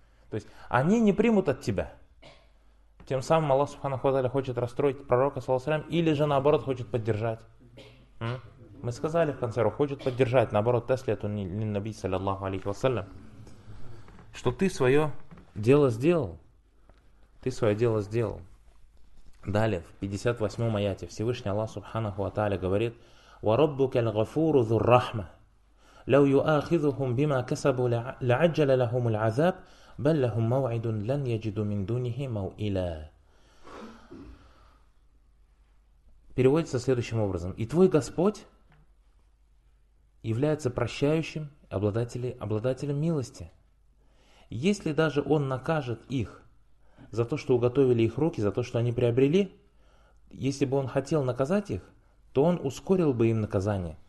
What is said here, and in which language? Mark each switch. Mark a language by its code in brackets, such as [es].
[ru] То есть они не примут от тебя. Тем самым Аллах Субханаху ва Тааля хочет расстроить пророка саллаллаху алейхи вассалям, или же наоборот хочет поддержать. Мы сказали в конце, хочет поддержать, наоборот, таслиту лин-наби саллаллаху алейхи вассалям, что ты свое дело сделал. Ты свое дело сделал. Далее, в 58-м аяте Всевышний Аллах Субханаху ва Тааля говорит: [ar] وَرَبُّكَ الْغَفُورُ ذُو الرَّحْمَةِ لَوْ يُؤَاخِذُهُمْ بِمَا كَسَبُوا لَعَجَّلَ لَهُمُ الْعَذَابَ بَلْ لَهُمْ مَوْعِدٌ لَنْ يَجِدُوا مِنْ دُونِهِ مَوْئِلًا. [ru] Переводится следующим образом: и твой Господь является прощающим, обладателем милости. Если даже Он накажет их за то, что уготовили их руки, за то, что они приобрели, если бы Он хотел наказать их, то Он ускорил бы им наказание.